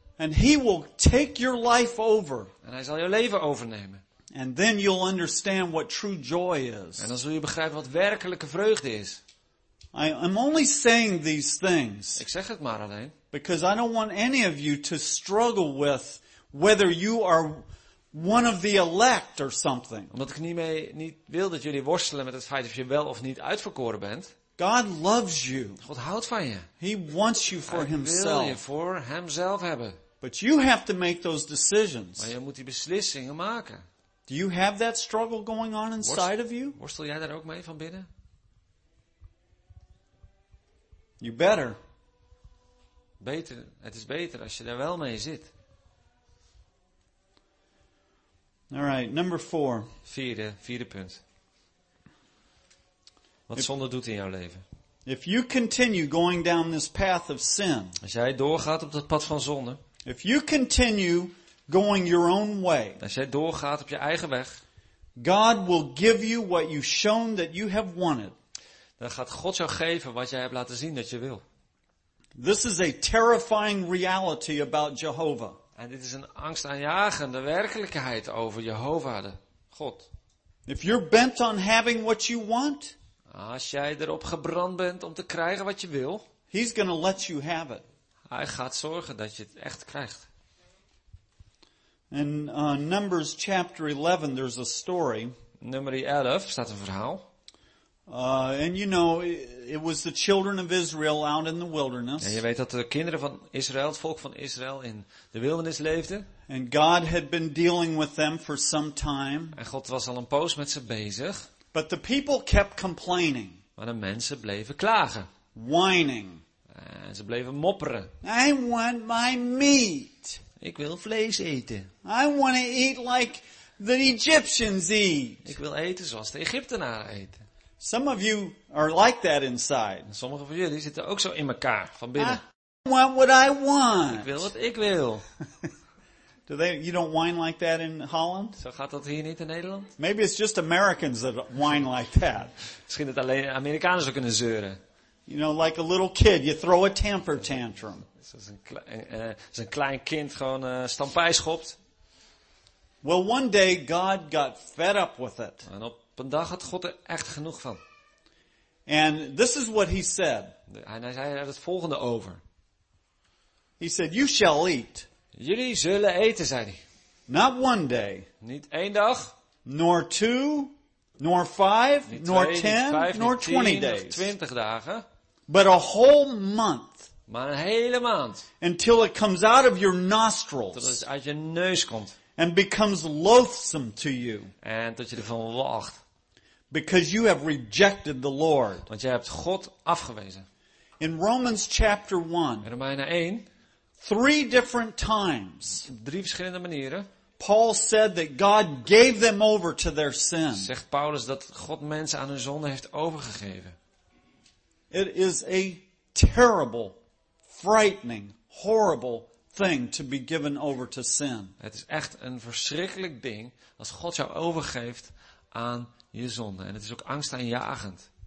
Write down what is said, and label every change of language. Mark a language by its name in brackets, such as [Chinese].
[English] And he will take your life over. [Dutch] En hij zal jouw leven overnemen. [English] And then you'll understand what true joy is. [Dutch] En dan zul je begrijpen wat werkelijke vreugde is. [English] I'm only saying these things. [Dutch] Ik zeg het maar alleen. [English] Because I don't want any of you to struggle with whether you are one of the elect or something. [Dutch] Omdat ik niet wil dat jullie worstelen met het feit of je wel of niet uitverkoren bent. [English] God loves you. [Dutch] God houdt van je. [English] He wants you for himself. [Dutch] Hij wil je voor hemzelf hebben. [English] But you have to make those decisions. [Dutch] Maar je moet die beslissingen maken. [English] Do you have that struggle going on inside of you? [Dutch] Worstel jij daar ook mee van binnen? [English] You better. [Dutch] Beter, het is beter als je daar wel mee zit. [English] All right, number four. [Dutch] Vierde punt. Wat zonde doet in jouw leven? [English] If you continue going down this path of sin. [Dutch] Als jij doorgaat op dat pad van zonde. [English] If you continue going your own way. [Dutch] Als jij doorgaat op je eigen weg. [English] God will give you what you've shown that you have wanted. [Dutch] Dan gaat God jou geven wat jij hebt laten zien dat je wil. [English] This is a terrifying reality about Jehovah. [Dutch] En dit is een angstaanjagende werkelijkheid over Jehovah, de God. [English] If you're bent on having what you want, [Dutch] als jij erop gebrand bent om te krijgen wat je wil, [English] he's gonna let you have it. [Dutch] Hij gaat zorgen dat je het echt krijgt. [English] In Numbers chapter 11, there's a story. [Dutch] Nummer 11 staat een verhaal. [English] And you know, it was the children of Israel out in the wilderness. [Dutch] En je weet dat de kinderen van Israël, het volk van Israël, in de wildernis leefden. [English] And God had been dealing with them for some time. [Dutch] En God was al een poos met ze bezig. [English] But the people kept complaining. [Dutch] Maar de mensen bleven klagen. [English] Whining. [Dutch] En ze bleven mopperen. [English] I want my meat. [Dutch] Ik wil vlees eten. [English] I want to eat like the Egyptians eat. [Dutch] Ik wil eten zoals de Egyptenaren eten. [English] Some of you are like that inside. [Dutch] Sommige van jullie zitten ook zo in elkaar van binnen. [English] I want what I want. [Dutch] Ik wil wat ik wil. [English] You don't whine like that in Holland? [Dutch] Zo gaat dat hier niet in Nederland? [English] Maybe it's just Americans that whine like that. [Dutch] Misschien dat alleen Amerikanen zo kunnen zeuren. [English] You know, like a little kid, you throw a temper tantrum. [Dutch] Als een klein kind gewoon stampij schopt. [English] Well, one day God got fed up with it. [Dutch] En op een dag had God er echt genoeg van. [English] And this is what he said. [Dutch] Hij zei er het volgende over. [English] He said, "You shall eat." [Dutch] Jullie zullen eten, zei hij. [English] Not one day. [Dutch] Niet één dag. [English] Nor two, nor five, [Dutch] twee, [English] nor ten, [Dutch] vijf, [English] nor 20 [Dutch] tien, [English] days. [Dutch] 20 dagen. [English] But a whole month. [Dutch] Maar een hele maand. [English] Until it comes out of your nostrils. [Dutch] Tot het uit je neus komt. [English] And becomes loathsome to you. [Dutch] En tot je ervan wacht. [English] Because you have rejected the Lord. [Dutch] Want je hebt God afgewezen. [English] In Romans chapter 1. [Dutch] In Romeinen 1. [English] Three different times. [Dutch] Drie verschillende manieren. [English] Paul said that God gave them over to their sin. [Dutch] Zegt Paulus dat God mensen aan hun zonde heeft overgegeven. [English] It is a terrible, frightening, horrible thing to be given over to sin. [Dutch] Het is echt een verschrikkelijk ding als God jou overgeeft aan je zonde. En het is ook angstaanjagend.